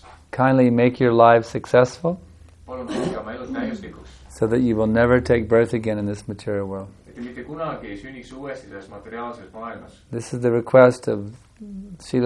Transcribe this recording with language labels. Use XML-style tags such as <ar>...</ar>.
<en>Kindly make your lives successful so that you will never take birth again in this material world.</en> <et>et mitte kunagi ei sünniks uuesti selles materiaalses maailmas.</et> <en>This is the request of Srila</en>